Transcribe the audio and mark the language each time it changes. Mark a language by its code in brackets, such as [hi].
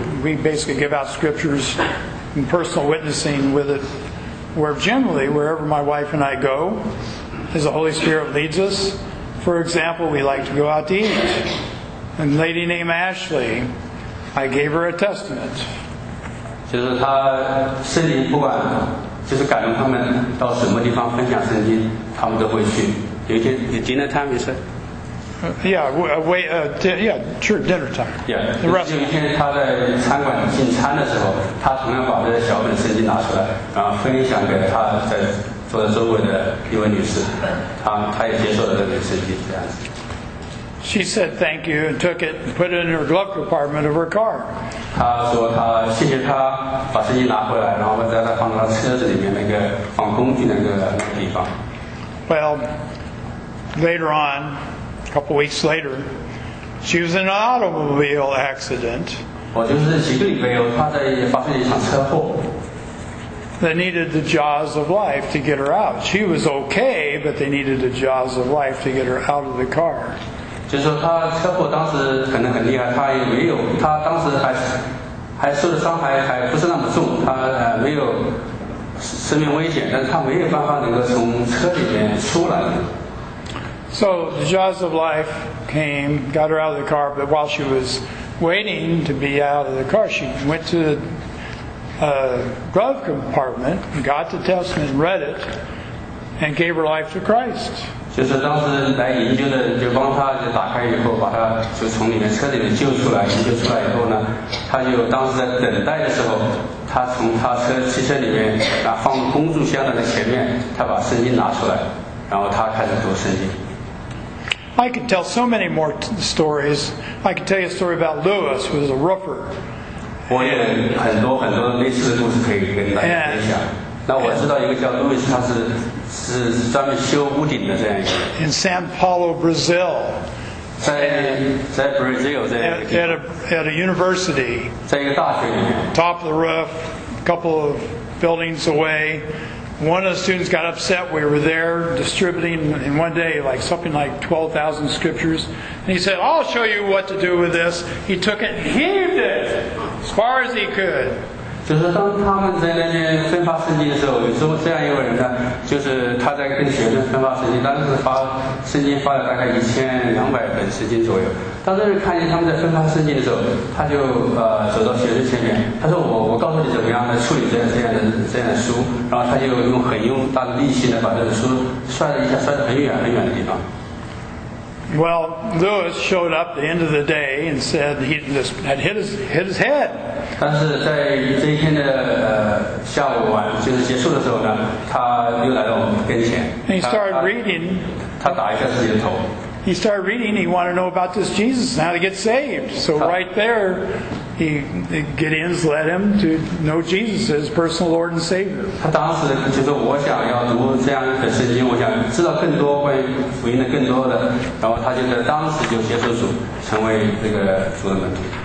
[en] We basically give out scriptures and personal witnessing with it, where generally, wherever my wife and I go, as the Holy Spirit leads us, for example, we like to go out to eat. And a lady named Ashley, I gave her a testament. [zh] 就是她圣经不管，就是感动他们到什么地方分享圣经，他们都会去。有一天，你今天他们说。 [en] Dinner time. Yeah, the rest. [zh] 有一天他在餐馆进餐的时候，他同样把这小本圣经拿出来，然后分享给他在坐在周围的一位女士，他也接受了这本圣经，这样子。 [en] She said thank you and took it and put it in her glove compartment of her car. [zh] 他说他谢谢他把圣经拿回来，然后再放到他车子里面那个放工具那个地方。 [en] Well, later on. A couple weeks later, she was in an automobile accident that needed the jaws of life to get her out. She was okay, but they needed the jaws of life to get her out of the car. [zh] 就是说她车祸当时可能很厉害，她也没有，她当时还受的伤害还不是那么重，她没有生命危险，但是她没有办法能够从车里面出来。 [en] So the jaws of life came, got her out of the car, but while she was waiting to be out of the car, she went to the glove compartment, got the testament, read it, and gave her life to Christ. [zh] 就是当时来营救的就帮她就打开以后把她就从里面车里面救出来，营救出来以后呢，她就当时在等待的时候，她从她汽车里面放公主箱的前面，她把圣经拿出来，然后她开始读圣经。 [en] I could tell so many more stories. I could tell you a story about Lewis, who was a roofer. [zh] 我也很多很多类似的故事可以跟大家分享。那我知道一个叫 Lewis， 他是专门修屋顶的这样一个。 [en] In São Paulo, Brazil. [zh] 在 Brazil 这样一个。 [en] At a university. [zh] 在一个大学里面。 [en] Top of the roof, a couple of buildings away. One of the students got upset. We were there distributing in one day like something like 12,000 scriptures. And he said, I'll show you what to do with this. He took it and heaved it as far as he could. [zh] 就是当他们在那边分发圣经的时候，有时候这样一个人呢，就是他在跟学生分发圣经，当时发圣经发了大概1200本圣经左右。当这人看见他们在分发圣经的时候，他就走到学生前面，他说我告诉你怎么样来处理这样的书，然后他就用很用大的力气呢把这本书摔了一下，摔得很远很远的地方。 [en] Well, Lewis showed up at the end of the day and said he just had hit his head. [zh] 但是在这一天的下午晚就是结束的时候呢，他又来到我们跟前。 [en] And he started reading. [zh] 他打一下自己的头。 [en] He started reading. He wanted to know about this Jesus and how to get saved. So right there, Gideon's led him to know Jesus as personal Lord and Savior. [zh] 他当时就是我想要读这样的圣经，我想知道更多关于福音的更多的，然后他就在当时就接受主，成为这个主的门徒。